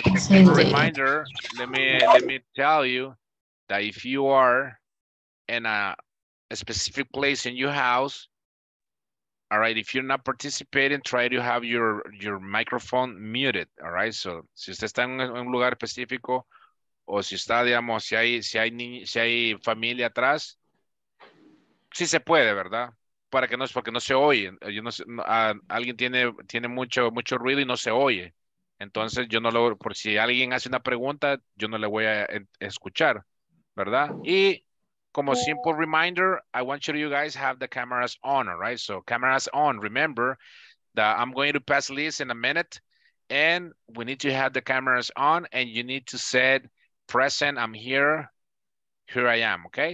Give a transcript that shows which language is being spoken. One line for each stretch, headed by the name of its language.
English: Reminder, let me tell you that if you are in a specific place in your house, all right, if you're not participating, try to have your microphone muted, all right?
Spanish: So, si usted está en un lugar específico o si está, digamos, si hay familia atrás, sí se puede, ¿verdad? Porque no se oye. Yo no sé, alguien tiene mucho ruido y no se oye. Entonces, yo no lo, por si alguien hace una pregunta, yo no le voy a escuchar, ¿verdad? Y como simple
English: reminder, I want you guys have the cameras on, all right? So, cameras on. Remember that I'm going to pass this in a minute, and we need to have the cameras on, and you need to say, present, I'm here, here I am, okay?